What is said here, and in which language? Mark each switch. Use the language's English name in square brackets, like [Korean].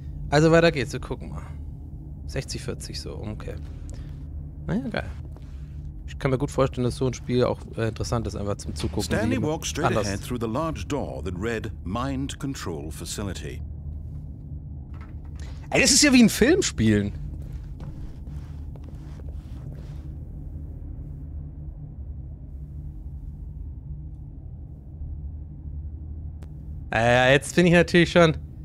[German] Also weiter geht's, wir gucken mal. 60-40 so, okay. Naja, geil. kann mir gut vorstellen, dass so ein Spiel auch interessant ist, einfach zum Zugucken. [English] Stanley walked straight ahead through the large door that read Mind Control Facility. [German] Ey, das ist ja wie ein Film spielen. Jetzt bin ich natürlich schon.